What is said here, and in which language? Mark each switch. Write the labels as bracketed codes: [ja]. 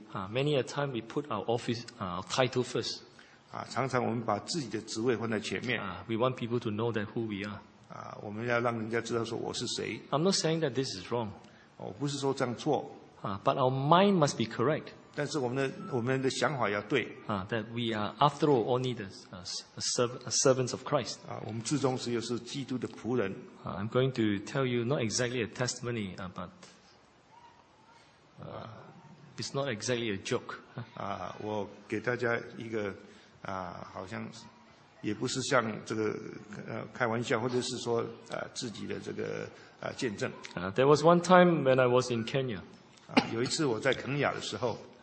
[en] Many a time we put our office title first. [zh] 常常我们把自己的职位放在前面。 [en] We want people to know that who we are. [zh] 我们要让人家知道说我是谁。 [en] I'm not saying that this is wrong. [zh] 我不是说这样错。 [en] But our mind must be correct. [zh] 但是我们的想法要对。 [en] That we are after all only the servants of Christ. [zh] 我们最终只有是基督的仆人。 [en] I'm going to tell you not exactly a testimony, but it's not exactly a joke. [zh] 我给大家一个好像也不是像这个开玩笑，或者是说自己的这个见证。 [en] There was one time when I was in Kenya. [zh] 有一次我在肯雅的时候。